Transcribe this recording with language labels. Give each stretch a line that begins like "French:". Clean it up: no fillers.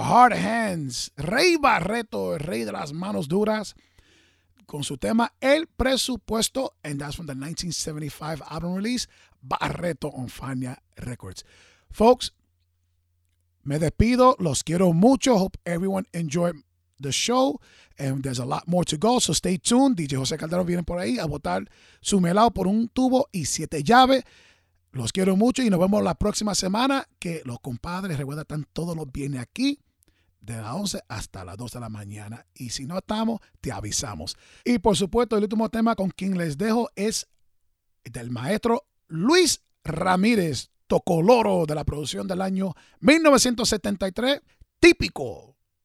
Spanish: Hard Hands, Rey Barreto, el rey de las manos duras, con su tema El Presupuesto.
English: And that's from the 1975 album release, Barreto on Fania Records.
Spanish: Folks, me despido. Los quiero mucho.
English: Hope everyone enjoyed the show. And there's a lot more to go, so stay tuned.
Spanish: DJ José Calderón viene por ahí a botar su melao por un tubo y siete llaves. Los quiero mucho y nos vemos la próxima semana, que los compadres, recuerda, están todos los viernes aquí de las 11 hasta las 2 de la mañana. Y si no estamos, te avisamos. Y por supuesto, el último tema con quien les dejo es del maestro Luis Ramírez, Tocoloro, de la producción del año 1973, Típico.